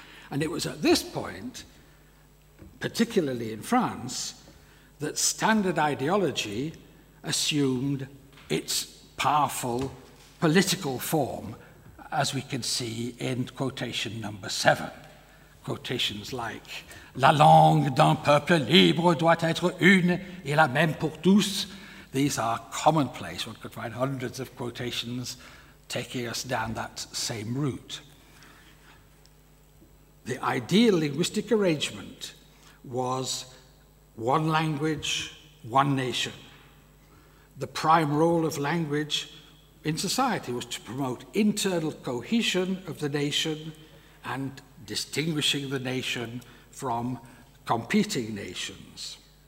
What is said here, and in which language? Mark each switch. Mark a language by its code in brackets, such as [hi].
[en] And it was at this point, particularly in France, that standard ideology assumed its powerful political form, as we can see in quotation number 7. [fr] Quotations like, "La langue d'un peuple libre doit être une et la même pour tous." [en] These are commonplace. One could find hundreds of quotations taking us down that same route. The ideal linguistic arrangement was one language one nation. The prime role of language in society was to promote internal cohesion of the nation and distinguishing the nation from competing nations.